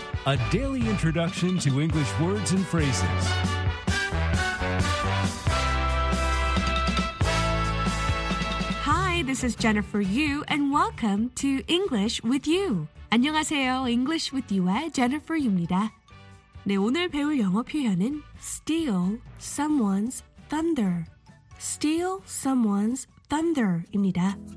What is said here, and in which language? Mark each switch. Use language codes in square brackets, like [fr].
[en] A daily introduction to English words and phrases. Hi, this is Jennifer Yu, and welcome to English with you. [ko] 안녕하세요, English with you의 Jennifer Yu입니다. 네, 오늘 배울 영어 표현은 [en] steal someone's thunder. Steal someone's thunder입니다.